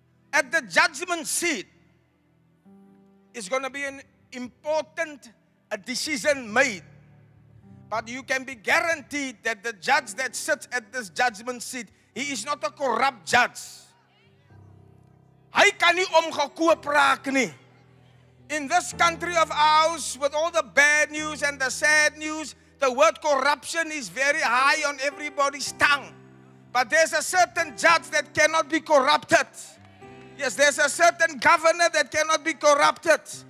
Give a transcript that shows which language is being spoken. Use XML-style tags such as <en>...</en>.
<en>At the judgment seat, it's going to be an important decision made. But you can be guaranteed that the judge that sits at this judgment seat, he is not a corrupt judge.</en> <af>Hy kan nie omgekoop raak nie.</af> <en>In this country of ours, with all the bad news and the sad news, the word corruption is very high on everybody's tongue. But there's a certain judge that cannot be corrupted. Yes, there's a certain governor that cannot be corrupted.</en>